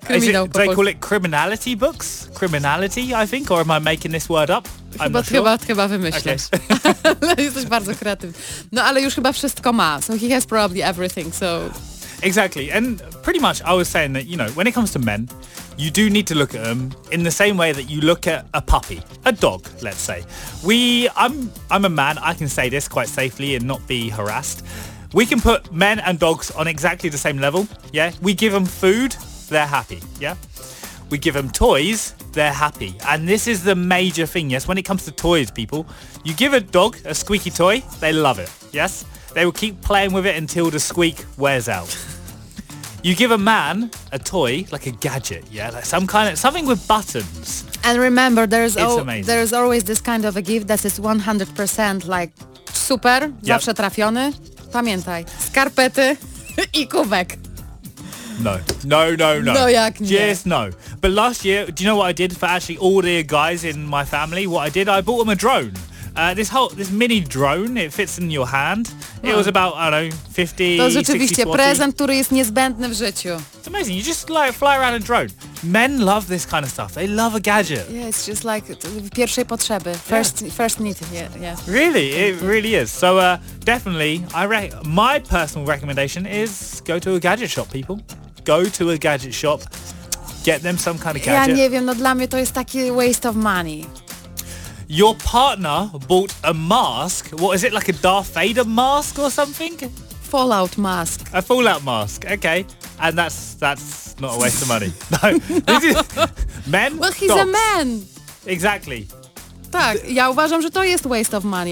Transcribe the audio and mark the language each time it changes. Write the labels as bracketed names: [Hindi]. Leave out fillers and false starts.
[English] Criminal it, do they call it criminality books? Criminality, I think? Or am I making this word up? [Polish] Chyba, [English] I'm not sure. [Polish] Chyba wymyślisz. Okay. Jesteś bardzo kreatywny. No ale już chyba wszystko ma. [English] So he has probably everything, so... Exactly. And pretty much I was saying that, you know, when it comes to men, you do need to look at them in the same way that you look at a puppy, a dog, let's say. I'm a man. I can say this quite safely and not be harassed. We can put men and dogs on exactly the same level, yeah? We give them food, they're happy, yeah? We give them toys, they're happy. And this is the major thing, yes? When it comes to toys, people, you give a dog a squeaky toy, they love it, yes? They will keep playing with it until the squeak wears out. You give a man a toy, like a gadget, yeah? Like some kind of, something with buttons. And remember, there's always this kind of a gift that is 100% like super, yep. [Polish] Zawsze trafiony. Pamiętaj, skarpety i kubek. No. No jak nie. [English] Just no. But last year, do you know what I did for actually all the guys in my family? What I did, I bought them a drone. This mini drone, it fits in your hand. It was about, I don't know, 50, 60, 40. [Polish] To rzeczywiście prezent, który jest niezbędny w życiu. [English] It's amazing. You just like fly around a drone. Men love this kind of stuff. They love a gadget. Yeah, it's just like [Polish] pierwszej potrzeby. [English] First need. Yeah. Really? It really is. So definitely, my personal recommendation is go to a gadget shop, people. Go to a gadget shop. Get them some kind of gadget. [Polish] Ja nie wiem, no dla mnie to jest taki [English] waste of money. Your partner bought a mask. What is it, like a Darth Vader mask or something? Fallout mask. A Fallout mask, okay. And that's not a waste of money. No. No. Men? Well, he's dogs. A man. Exactly. [Polish] Tak, ja uważam, że to jest [English] waste of money.